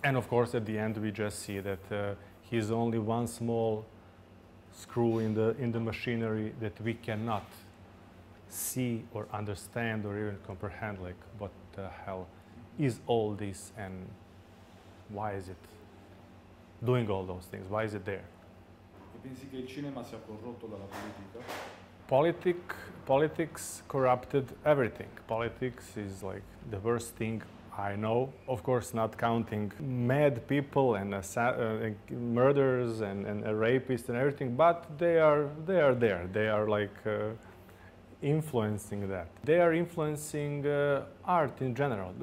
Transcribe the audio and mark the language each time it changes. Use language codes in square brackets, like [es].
[en] And of course, at the end, we just see that he's only one small screw in the machinery that we cannot see or understand or even comprehend. Like, what the hell is all this, and why is it doing all those things? Why is it there? [it] E pensi che il cinema sia corrotto dalla politica? [en] Politics corrupted everything. Politics is like the worst thing I know. Of course, not counting mad people and murderers and rapists and everything, but they are there. They are like influencing that. They are influencing art in general.